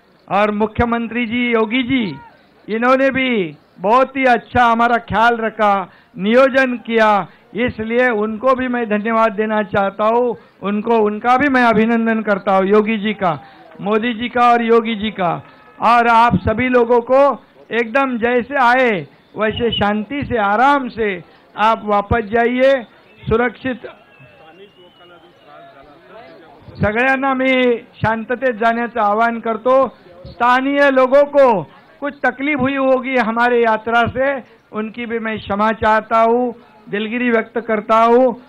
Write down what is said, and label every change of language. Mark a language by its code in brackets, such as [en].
[hi] और मुख्यमंत्री जी योगी जी, इन्होंने भी बहुत ही अच्छा हमारा ख्याल रखा, नियोजन किया, इसलिए उनको भी मैं धन्यवाद देना चाहता हूँ, उनको उनका भी मैं अभिनंदन करता हूँ, योगी जी का, मोदी जी का और योगी जी का। और आप सभी लोगों को एकदम जैसे आए वैसे शांति से आराम से आप वापस जाइए सुरक्षित। [mr] सगळ्यांना मी शांततेत जाण्याचं आवाहन करतो। [hi] स्थानीय लोगों को कुछ तकलीफ हुई होगी हमारे यात्रा से, उनकी भी मैं क्षमा चाहता हूँ, दिलगिरी व्यक्त करता हूँ।